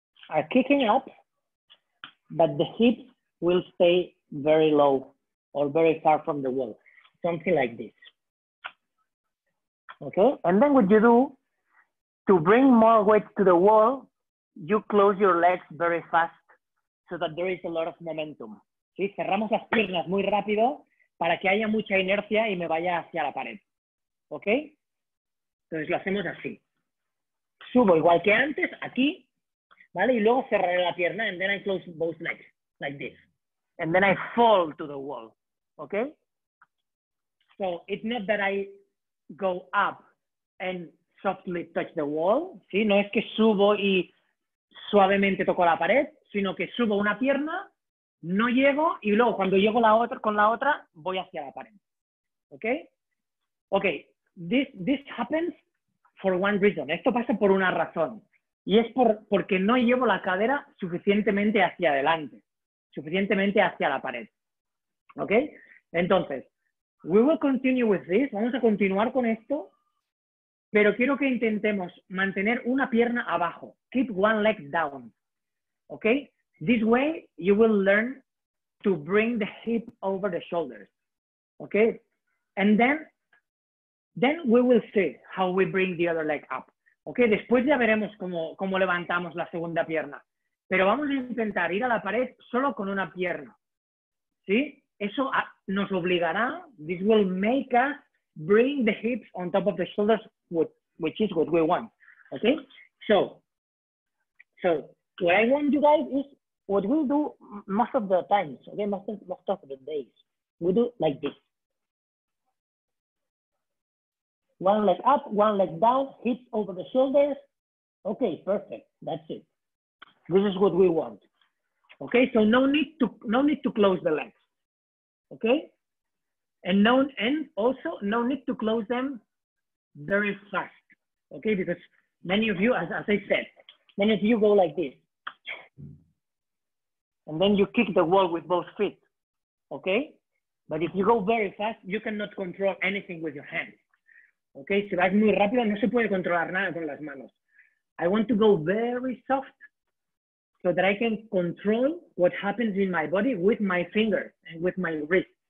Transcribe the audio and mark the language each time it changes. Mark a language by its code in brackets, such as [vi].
[en] Are kicking up, but the hips will stay very low or very far from the wall. Something like this. Okay? And then what you do to bring more weight to the wall, you close your legs very fast so that there is a lot of momentum. [es] ¿Sí? Cerramos las piernas muy rápido para que haya mucha inercia y me vaya hacia la pared. ¿Ok? Entonces lo hacemos así. Subo igual que antes, aquí, ¿vale? Y luego cerraré la pierna [en] and then I close both legs, like this. And then I fall to the wall. ¿Ok? So it's not that I go up and softly touch the wall. [es] ¿Sí? No es que subo y suavemente toco la pared, sino que subo una pierna, no llego, y luego cuando llego la otra, con la otra, voy hacia la pared. ¿Ok? [en] Ok, this happens for one reason. [es] Esto pasa por una razón. Y es porque no llevo la cadera suficientemente hacia adelante, suficientemente hacia la pared. ¿Ok? Entonces, [en] we will continue with this. [es] Vamos a continuar con esto. Pero quiero que intentemos mantener una pierna abajo. [en] Keep one leg down. Okay? This way you will learn to bring the hip over the shoulders. Okay? And then we will see how we bring the other leg up. Okay? [es] Después ya veremos cómo levantamos la segunda pierna. Pero vamos a intentar ir a la pared solo con una pierna. ¿Sí? Eso nos obligará. [en] This will make us bring the hips on top of the shoulders, which is what we want. Okay? So what I want you guys is what we do most of the times, okay? Most of the days. We do like this. One leg up, one leg down, hips over the shoulders. Okay, perfect. That's it. This is what we want. Okay, so no need to close the legs. Okay? And also no need to close them very fast, okay? Because many of you, as I said, many of you go like this. And then you kick the wall with both feet, okay? But if you go very fast, you cannot control anything with your hands. [es] Okay, si vas muy rápido, no se puede controlar nada con las manos. [en] I want to go very soft so that I can control what happens in my body with my finger and with my wrist.